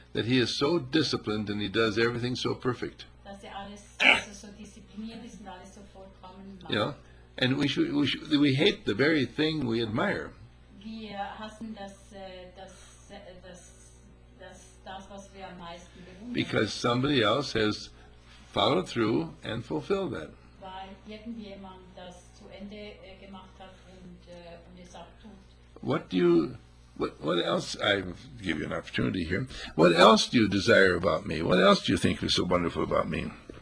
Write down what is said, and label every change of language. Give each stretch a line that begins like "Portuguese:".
English: That he is so disciplined and he does everything so perfect.
German: Dass er alles, also so diszipliniert ist und alles so vollkommen macht.
English: Yeah. And we hate the very thing we admire.
German: Wir hassen das, was wir am meisten bewundern.
English: Because somebody else has followed through and fulfilled that.
German: Weil irgendjemand das zu Ende gemacht hat und es auch tut.
English: What else? I'll give you an opportunity here. What else do you desire about me? What else do you think is so wonderful about me?